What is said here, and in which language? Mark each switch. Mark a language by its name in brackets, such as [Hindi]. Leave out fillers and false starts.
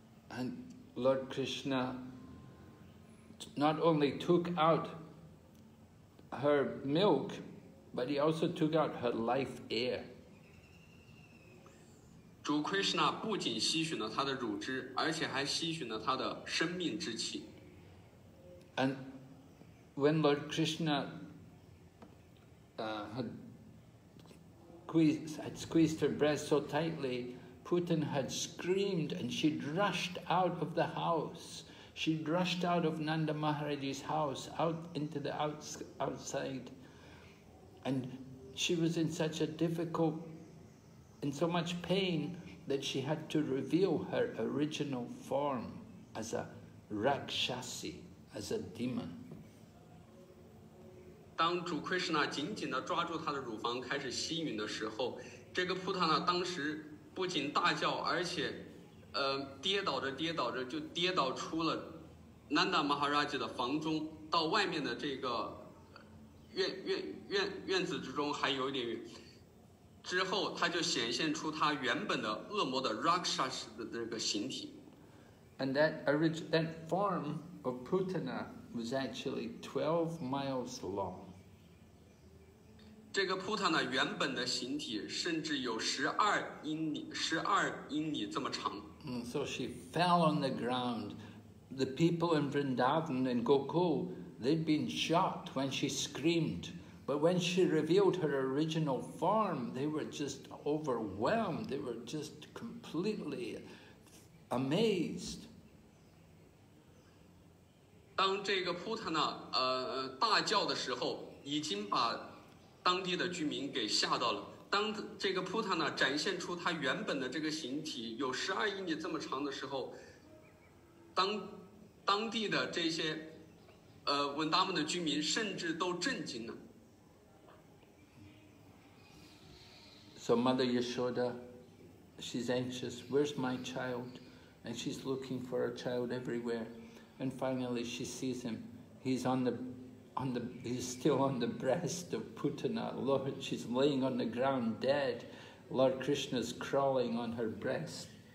[English] And Lord Krishna not only took out her milk, but he also took out her life air. [Chinese] 主 Krishna 不仅吸取了他的乳汁，而且还吸取了他的生命之气。 [English] And when Lord Krishna had squeezed her breast so tightly, Putana had screamed and she rushed out of the house. She rushed out of Nanda Maharaj's house, out into the outside. And she was in such a difficult, in so much pain,that she had to reveal her original form as a Rakshasi, as a demon. [Chinese] 当主 Krishna 紧紧地抓住她的乳房开始吸吮的时候，这个 Putana 当时不仅大叫，而且跌倒着跌倒着就跌倒出了 Nanda Maharaj 的房中，到外面的这个 院子之中还有一点远，之后他就显现出他原本的恶魔的 Rakshas 的这个形体。 [English] And that original form of Putana was actually 12 miles long. [Chinese] 这个 Putana 原本的形体甚至有12英里这么长。 [English] So she fell on the ground. The people in Vrindavan and Gokul, they'd been shocked when she screamed. But when she revealed her original form, they were just overwhelmed. They were just completely amazed. [Chinese] 当这个普塔纳大叫的时候，已经把当地的居民给吓到了。当这个普塔纳展现出他原本的这个形体有十二英里这么长的时候，当地的这些文达门的居民甚至都震惊了。 [English] So Mother Yashoda, she's anxious. Where's my child? And she's looking for her child everywhere. And finally, she sees him. He's on the He's still on the breast of Putana. Lord, she's laying on the ground dead. Lord Krishna's crawling on her breast.